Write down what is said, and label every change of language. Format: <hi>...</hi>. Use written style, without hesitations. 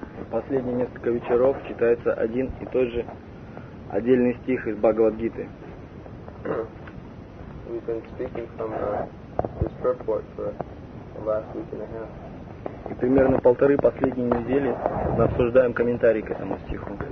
<ru>Последние несколько вечеров читается один и тот же отдельный стих из Бхагавад-гиты.</ru> <en>We've been speaking from this purport for the last week and a half.</en> <ru>И примерно полторы последние недели мы обсуждаем комментарий к этому стиху.</ru>